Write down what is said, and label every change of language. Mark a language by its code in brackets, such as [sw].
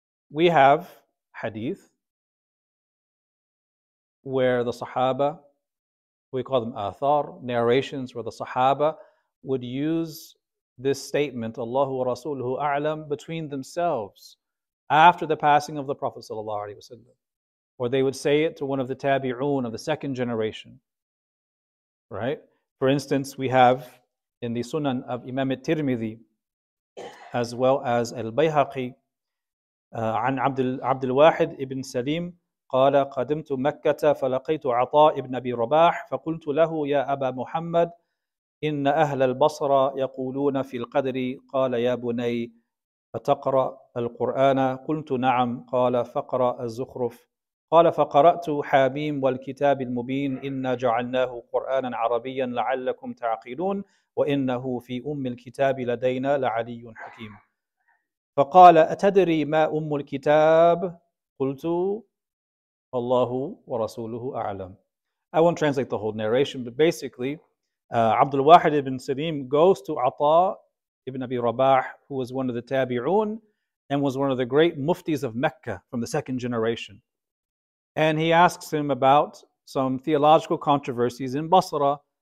[en] We have hadith where the sahaba, we call them athar, narrations where the sahaba would use this statement, [ar] Allahu wa rasuluhu a'lam, [en] between themselves after the passing of the Prophet sallallahu alaihi wasallam. Or they would say it to one of the tabi'un of the second generation. Right? For instance, we have in the Sunan of Imam al-Tirmidhi, as well as al-Bayhaqi, an Abdul Wahid ibn Salim, [ar] qala qadimtu Makkata falaqaytu Ata ibn Abi Rabah, faqultu lahu ya Aba Muhammad, إن أهل البصرة يقولون في القدر قال يا بني أتقرأ القرآن قلت نعم قال فقرأ الزخرف قال فقرأت حاميم والكتاب المبين إن جعلناه قرآنا عربيا لعلكم تعقلون وإنه في أم الكتاب لدينا لعلي حكيم فقال أتدري ما أم الكتاب قلت الله ورسوله أعلم. [en] I won't translate the whole narration, but basically Abdul Wahid ibn Salim goes to Ata ibn Abi Rabah, who was one of the tabi'un and was one of the great muftis of Mecca from the second generation. And he asks him about some theological controversies in Basra.